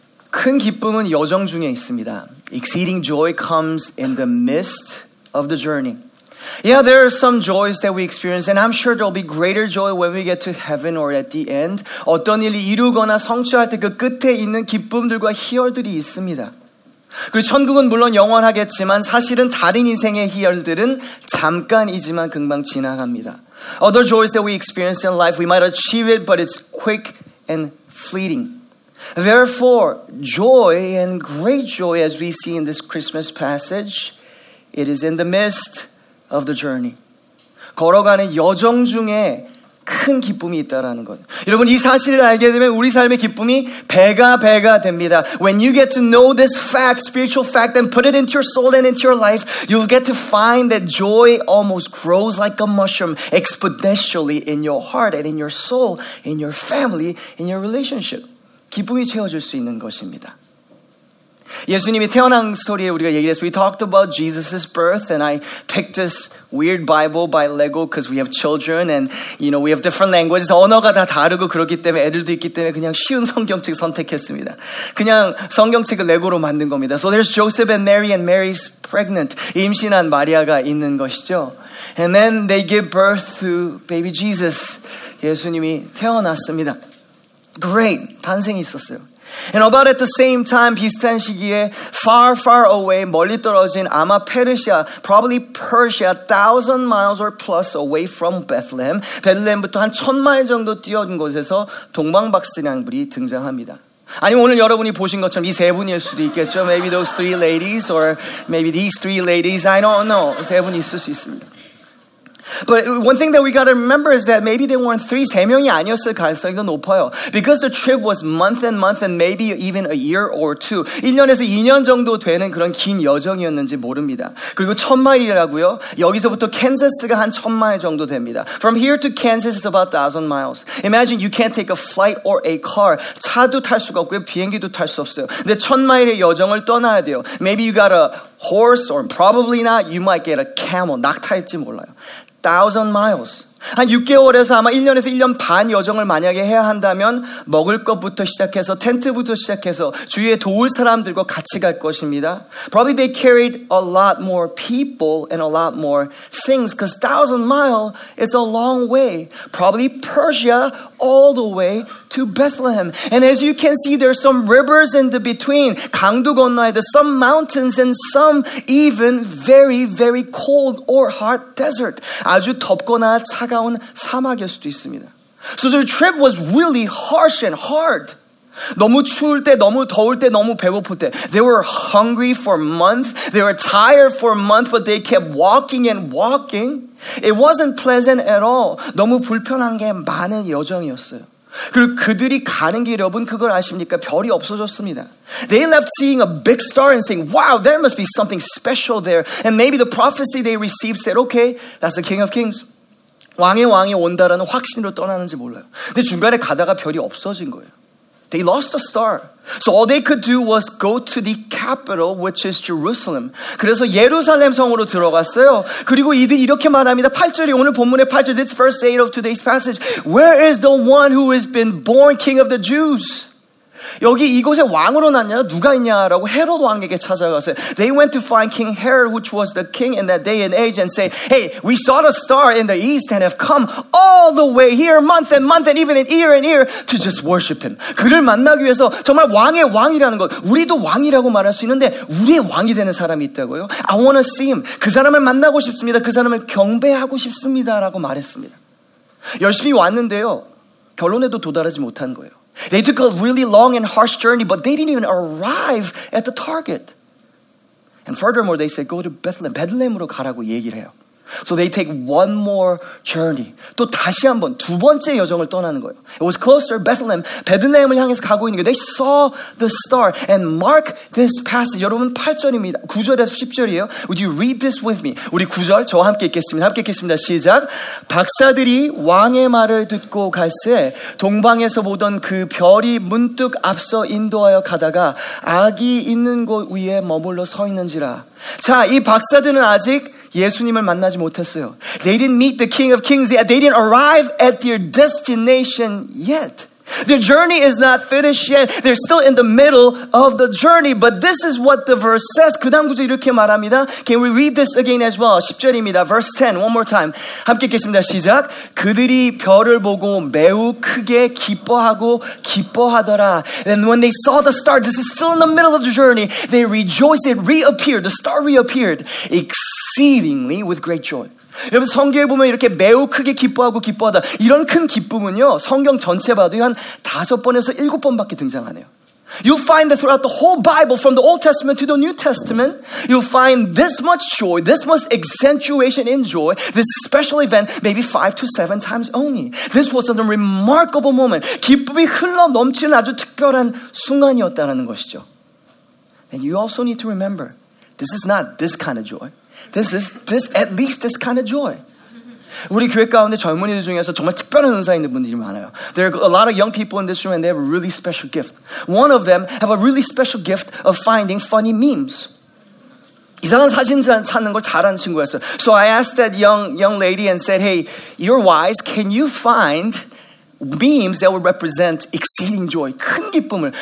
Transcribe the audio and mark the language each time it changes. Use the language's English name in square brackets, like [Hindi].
[Korean] 큰 기쁨은 여정 중에 있습니다. [English] Exceeding joy comes in the midst of the journey. Yeah, there are some joys that we experience, and I'm sure there'll be greater joy when we get to heaven or at the end. [Korean] 어떤 일을 이루거나 성취할 때 그 끝에 있는 기쁨들과 희열들이 있습니다. 그리고 천국은 물론 영원하겠지만 사실은 다른 인생의 희열들은 잠깐이지만 금방 지나갑니다. [English] Other joys that we experience in life, we might achieve it, but it's quick and fleeting. Therefore, joy and great joy, as we see in this Christmas passage, it is in the midst of the journey. [Korean] 걸어가는 여정 중에 큰 기쁨이 있다라는 것. 여러분, 이 사실을 알게 되면 우리 삶의 기쁨이 배가 배가 됩니다. [English] When you get to know this fact, spiritual fact, and put it into your soul and into your life, you'll get to find that joy almost grows like a mushroom exponentially in your heart and in your soul, in your family, in your relationship. [Korean] 기쁨이 채워질 수 있는 것입니다. 예수님이 태어난 스토리에 우리가 얘기했어요. [English] We talked about Jesus' birth, and I picked this weird Bible by Lego because we have children, and you know, we have different languages. [Korean] 언어가 다 다르고 그렇기 때문에 애들도 있기 때문에 그냥 쉬운 성경책 선택했습니다. 그냥 성경책을 레고로 만든 겁니다. [English] So there's Joseph and Mary, and Mary's pregnant. [Korean] 임신한 마리아가 있는 것이죠. [English] And then they give birth to baby Jesus. [Korean] 예수님이 태어났습니다. [English] Great. [Korean] 탄생이 있었어요. [English] And about at the same time, [Korean] 비슷한 시기에 [English] far, far away, [Korean] 멀리 떨어진 아마 페르시아, [English] probably Persia, 1,000 miles or plus away from Bethlehem. [Korean] 베들레헴부터 한 1,000마일 정도 뛰어든 곳에서 동방박스냥불이 등장합니다. 아니면 오늘 여러분이 보신 것처럼 이 세 분일 수도 있겠죠. [English] Maybe those three ladies or maybe these three ladies, I don't know. [Korean] 세 분이 있을 수 있습니다. [English] But one thing that we got to remember is that maybe they weren't three, [Korean] 세 명이 아니었을 가능성이 높아요. [English] Because the trip was month and month and maybe even a year or two. [Korean] 1년에서 2년 정도 되는 그런 긴 여정이었는지 모릅니다. 그리고 1,000마일이라고요. 여기서부터 캔자스가 한 1,000마일 정도 됩니다. [English] From here to Kansas is about 1,000 miles. Imagine you can't take a flight or a car. [Korean] 차도 탈 수가 없고요. 비행기도 탈 수 없어요. 근데 1,000마일의 여정을 떠나야 돼요. [English] Maybe you got a horse or probably not. You might get a camel. [Korean] 낙타일지 몰라요. [English] 1,000 miles. [Korean] 한 6개월에서 아마 1년에서 1년 반 여정을 만약에 해야 한다면 먹을 것부터 시작해서 텐트부터 시작해서 주위에 도울 사람들과 같이 갈 것입니다. [English] Probably they carried a lot more people and a lot more things because 1,000 miles is a long way. Probably Persia all the way to Bethlehem. And as you can see, there's some rivers in the between. [Korean] 강도 건너야 돼. [English] Some mountains and some even very, very cold or hot desert. [Korean] 아주 덥거나 차가운 사막일 수도 있습니다. [English] So the trip was really harsh and hard. [Korean] 너무 추울 때, 너무 더울 때, 너무 배고플 때. [English] They were hungry for months. They were tired for months, but they kept walking and walking. It wasn't pleasant at all. [Korean] 너무 불편한 게 많은 여정이었어요. 그리고 그들이 가는 길 여러분 그걸 아십니까? 별이 없어졌습니다. [English] They left seeing a big star and saying, wow, there must be something special there. And maybe the prophecy they received said, okay, that's the King of Kings. [Korean] 왕의 왕이 온다라는 확신으로 떠나는지 몰라요. 근데 중간에 가다가 별이 없어진 거예요. [English] They lost a star. So all they could do was go to the capital, which is Jerusalem. [Korean] 그래서 예루살렘 성으로 들어갔어요. 그리고 이들이 이렇게 말합니다. 8절이 오늘 본문의 8절, [English] this first eight of today's passage. Where is the one who has been born king of the Jews? [Korean] 여기 이곳에 왕으로 났냐? 누가 있냐라고 헤롯 왕에게 찾아가서 [English] they went to find King Herod, which was the king in that day and age, and say, hey, we saw the star in the east and have come all the way here, month and month, and even in year and year, to just worship him. [Korean] 그를 만나기 위해서 정말 왕의 왕이라는 것, 우리도 왕이라고 말할 수 있는데 우리의 왕이 되는 사람이 있다고요? [English] I want to see him. [Korean] 그 사람을 만나고 싶습니다. 그 사람을 경배하고 싶습니다. 라고 말했습니다. 열심히 왔는데요. 결론에도 도달하지 못한 거예요. [English] They took a really long and harsh journey, but they didn't even arrive at the target. And furthermore, they said, go to Bethlehem. [Korean] 베들레헴으로 가라고 얘기를 해요. [English] So they take one more journey. [Korean] 또 다시 한 번, 두 번째 여정을 떠나는 거예요. [English] It was closer, Bethlehem. [Korean] 베들레헴을 향해서 가고 있는 거예요. [English] They saw the star. And mark this passage. [Korean] 여러분, 8절입니다. 9절에서 10절이에요. [English] Would you read this with me? [Korean] 우리 9절, 저와 함께 읽겠습니다. 함께 읽겠습니다. 시작. 박사들이 왕의 말을 듣고 갈새 동방에서 보던 그 별이 문득 앞서 인도하여 가다가 아기 있는 곳 위에 머물러 서 있는지라. 자, 이 박사들은 아직 예수님을 만나지 못했어요. [English] They didn't meet the King of Kings yet. They didn't arrive at their destination yet. The journey is not finished yet. They're still in the middle of the journey. But this is what the verse says. [Korean] 그 다음 구절 이렇게 말합니다. [English] Can we read this again as well? [Korean] 10절입니다. [English] Verse 10. One more time. [Korean] 함께 읽겠습니다. 시작. 그들이 별을 보고 매우 크게 기뻐하고 기뻐하더라. [English] And when they saw the star, this is still in the middle of the journey. They rejoiced. It reappeared. The star reappeared. Exceedingly with great joy. [Korean] 여러분 성경에 보면 이렇게 매우 크게 기뻐하고 기뻐하다 이런 큰 기쁨은요 성경 전체 봐도 한 다섯 번에서 일곱 번밖에 등장 안 해요. [English] You'll find that throughout the whole Bible from the Old Testament to the New Testament you'll find this much joy, this much accentuation in joy, this special event maybe five to seven times only. This was a remarkable moment. [Korean] 기쁨이 흘러 넘치는 아주 특별한 순간이었다는 것이죠. [English] And you also need to remember this is not this kind of joy. This is at least this kind of joy. [Korean] 우리 교회 가운데 젊은이들 중에서 정말 특별한 은사 있는 분들이 많아요. [English] There are a lot of young people in this room and they have a really special gift. One of them have a really special gift of finding funny memes. [Korean] 이상한 사진 찾는 걸 잘하는 친구였어요. [English] So I asked that young lady and said, "Hey, you're wise. Can you find memes that would represent exceeding joy, [Korean] 큰 기쁨을.